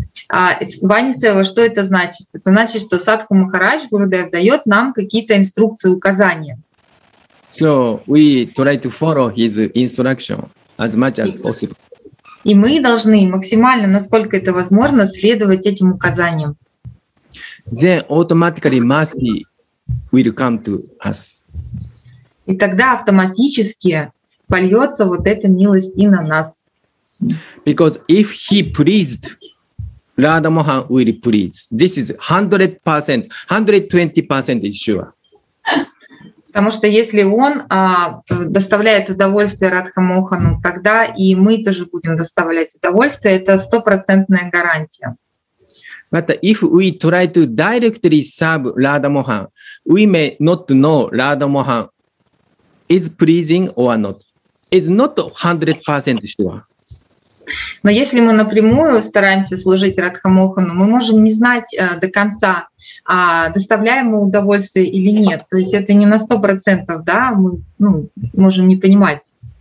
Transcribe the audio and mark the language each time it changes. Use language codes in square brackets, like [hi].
[ru] Bani seva, что это значит? Это значит, что Садху Махарадж, Гурудев, дает нам какие-то инструкции, указания. [en] So we try to follow his instruction as much as possible. [ru] И мы должны максимально, насколько это возможно, следовать этим указаниям. [en] Then automatically must be will come to us. [ru] И тогда автоматически польется вот эта милость и на нас. [en] Because if he pleased, Radha Mohan will please. This is 100%, 120% is sure. [ru] Потому что если он доставляет удовольствие Радха Мохану, тогда и мы тоже будем доставлять удовольствие. Это 100% гарантия. [en] But if we try to directly serve Radha Mohan, we may not know Radha Mohan is pleasing or not. It's not 100% sure. [ru] Но если мы напрямую стараемся служить Радха Мохану, мы можем не знать до конца, доставляем мы удовольствие или нет. То есть это не на 100%, да, мы, ну, можем не понимать.